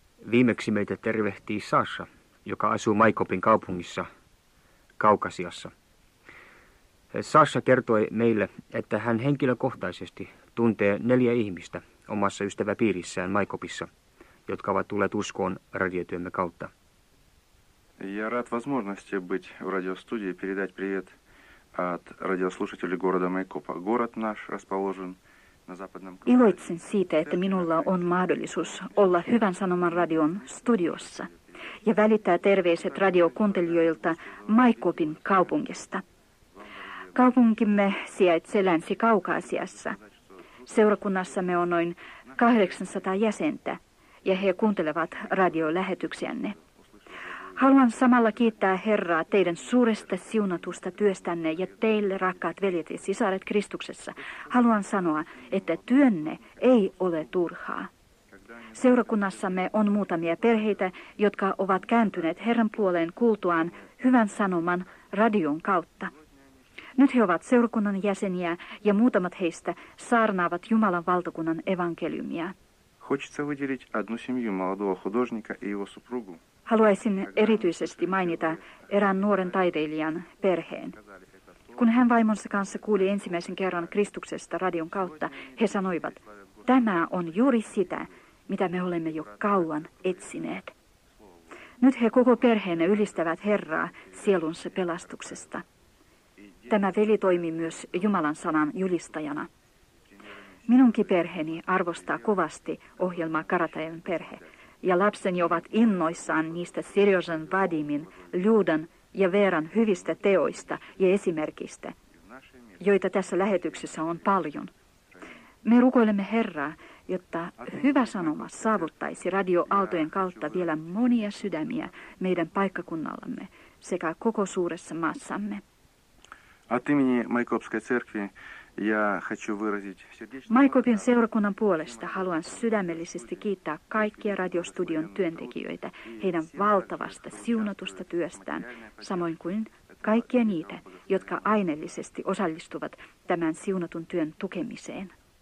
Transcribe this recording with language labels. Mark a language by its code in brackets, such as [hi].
[fi] Viimeksi meitä tervehtii Sasha, joka asuu Maikopin kaupungissa, Kaukasiassa. Sasha kertoi meille, että hän henkilökohtaisesti tuntee 4 ihmistä omassa ystäväpiirissään Maikopissa, jotka ovat tulleet uskoon radiotyömme kautta. [ru] Я рад возможности быть в радиостудии передать привет от радиослушателей города Майкопа. Город наш расположен на западном крае. [fi] Iloitsen siitä, että minulla on mahdollisuus olla Hyvän Sanoman radion studiossa ja välittää terveiset radiokuuntelijoilta Maikopin kaupungista. Kaupunkimme sijaitsee Länsi-Kaukasiassa. Seurakunnassamme on noin 800 jäsentä ja he kuuntelevat radiolähetyksiänne. Haluan samalla kiittää Herraa teidän suuresta siunatusta työstänne ja teille, rakkaat veljet ja sisaret Kristuksessa. Haluan sanoa, että työnne ei ole turhaa. Seurakunnassamme on muutamia perheitä, jotka ovat kääntyneet Herran puoleen kuultuaan Hyvän Sanoman radion kautta. Nyt he ovat seurakunnan jäseniä ja muutamat heistä saarnaavat Jumalan valtakunnan evankeliumia. [ru] Хочется выделить одну семью молодого художника и его супругу. [fi] Haluaisin erityisesti mainita erään nuoren taiteilijan perheen. Kun hän vaimonsa kanssa kuuli ensimmäisen kerran Kristuksesta radion kautta, he sanoivat, tämä on juuri sitä, mitä me olemme jo kauan etsineet. Nyt he koko perheenä ylistävät Herraa sielunsa pelastuksesta. Tämä veli toimii myös Jumalan sanan julistajana. Minunkin perheeni arvostaa kovasti ohjelmaa Karatajan perhe. Ja lapseni ovat innoissaan niistä Seriožan, Vadimin, Ljudan ja Veeran hyvistä teoista ja esimerkistä, joita tässä lähetyksessä on paljon. Me rukoilemme Herraa, jotta Hyvä Sanoma saavuttaisi radioaaltojen kautta vielä monia sydämiä meidän paikkakunnallamme sekä koko suuressa maassamme. [ru] От имени Майкопской церкви я хочу выразить сердечно. [fi] Майкопин seurakunnan puolesta haluan sydämellisesti kiittää kaikkia radiostudion työntekijöitä heidän valtavasta siunatusta työstään, samoin kuin kaikkia niitä, jotka aineellisesti osallistuvat tämän siunatun työn tukemiseen.